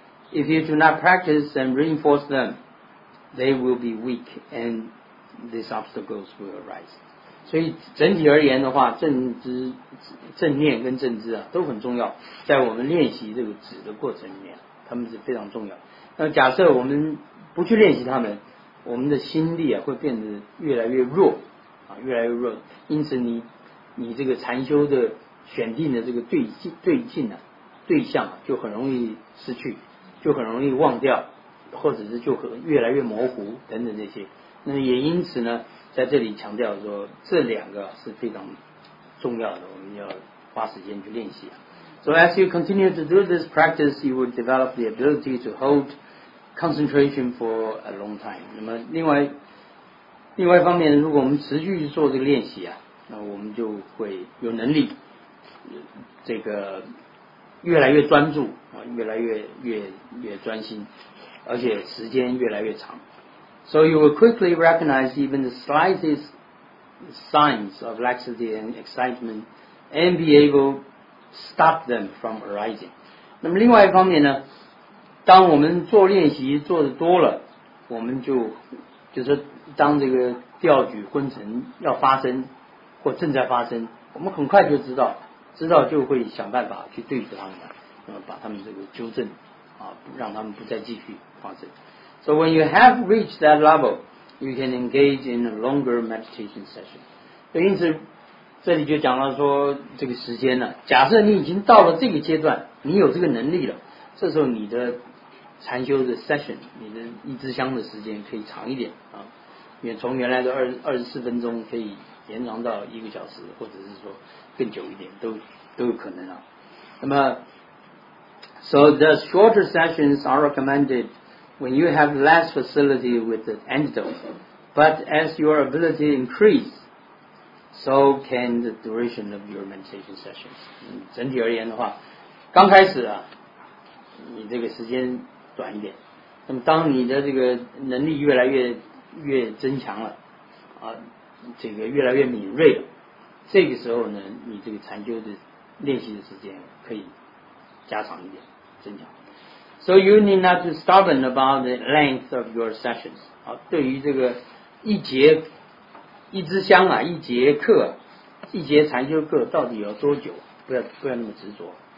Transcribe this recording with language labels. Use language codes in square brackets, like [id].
[en] If you do not practice and reinforce them, they will be weak andThese obstacles will arise. [zh] 所以整体而言的话，正念跟正知啊都很重要，在我们练习这个止的过程里面，他们是非常重要。那假设我们不去练习他们，我们的心力啊会变得越来越弱啊，越来越弱。因此你这个禅修的选定的这个对境啊对象啊，就很容易失去，就很容易忘掉，或者是就越来越模糊等等这些。那也因此呢，在这里强调说，这两个是非常重要的，我们要花时间去练习。 [en] So as you continue to do this practice, you will develop the ability to hold concentration for a long time. [zh] 那么另外一方面，如果我们持续做这个练习啊，那我们就会有能力，这个越来越专注啊，越来越专心，而且时间越来越长。 [en] So you will quickly recognize even the slightest signs of laxity and excitement and be able to stop them from arising. [zh] 那么另外一方面呢，当我们做练习做得多了，我们就是当这个调举昏沉要发生或正在发生，我们很快就知道就会想办法去对付他们，那么把他们这个纠正啊，让他们不再继续发生。 [en] So when you have reached that level, you can engage in a longer meditation session. [zh] 所以因此这里就讲到说这个时间呢，假设你已经到了这个阶段，你有这个能力了，这时候你的禅修的 session, 你的一支香的时间可以长一点啊，远从原来的24分钟可以延长到一个小时，或者是说更久一点都有可能啊。那么 [en] So the shorter sessions are recommended,when you have less facility with the antidote, but as your ability increase, so can the duration of your meditation sessions. [zh] 整体而言的话，刚开始啊，你这个时间短一点，那么当你的这个能力越来越增强了，啊，这个越来越敏锐了，这个时候呢，你这个禅修的练习的时间可以加长一点，增强。 [en] So you need not to stubborn about the length of your sessions. [zh] 啊，对于这个一节一支香啊，一节课，一节禅修课到底要多久，不要那么执着。